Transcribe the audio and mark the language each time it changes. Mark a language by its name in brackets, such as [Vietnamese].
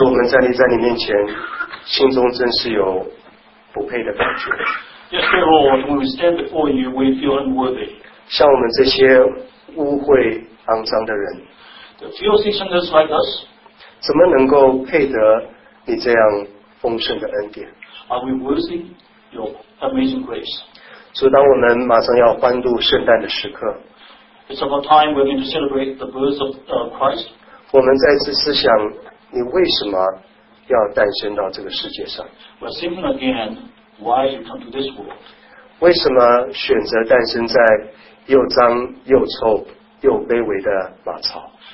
[Chinese] 在你在你面前，心中真是有不配的感觉。 [English] Yes, Lord, when we stand before you, we feel unworthy. [Chinese] 像我们这些污秽肮脏的人 [English] ，The filthy sinners like us, [Chinese] 怎么能够配得你这样丰盛的恩典 [English] ？Are we worthy your amazing grace? [Chinese] 所以，当我们马上要欢度圣诞的时刻 [English] ，It's about time we're going to celebrate the birth of Christ. [Chinese] 我们再次思想。你为什么要诞生到这个世界上 [English] ？Well, thinking again, why you come to this world? [Chinese] 为什么选择诞生在又脏又臭又卑微的马槽